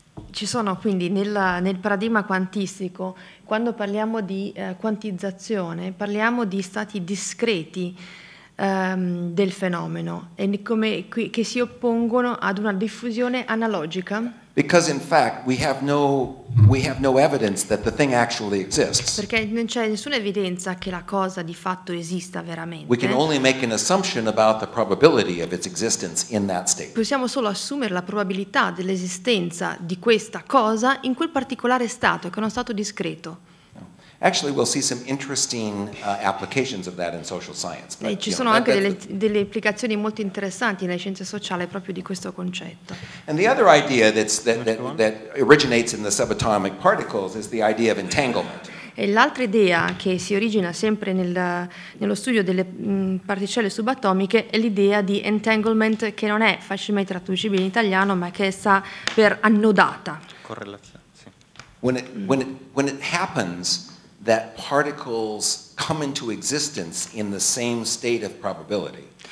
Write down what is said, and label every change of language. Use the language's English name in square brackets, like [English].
[Italian] Ci sono quindi nel paradigma quantistico, quando parliamo di quantizzazione, parliamo di stati discreti del fenomeno e come che si oppongono ad una diffusione analogica. [English] Because in fact we have no evidence that the thing actually exists. [Italian] Perché non c'è nessuna evidenza che la cosa di fatto esista veramente. [English] We can only make an assumption about the probability of its existence in that state. [Italian] Possiamo solo assumere la probabilità dell'esistenza di questa cosa in quel particolare stato, che è uno stato discreto. [English] Actually, we'll see some interesting applications of that in social science. [Italian] But, ci sono anche delle implicazioni molto interessanti nelle scienze sociali proprio di questo concetto. [English] And the other idea that originates in the subatomic particles is the idea of entanglement. [Italian] E l'altra idea che si origina sempre nello studio delle particelle subatomiche è l'idea di entanglement, che non è facilmente traducibile in italiano, ma che sta per annodata. Correlazione. Sì. [English] When it happens that particles come into existence in the same state of probability.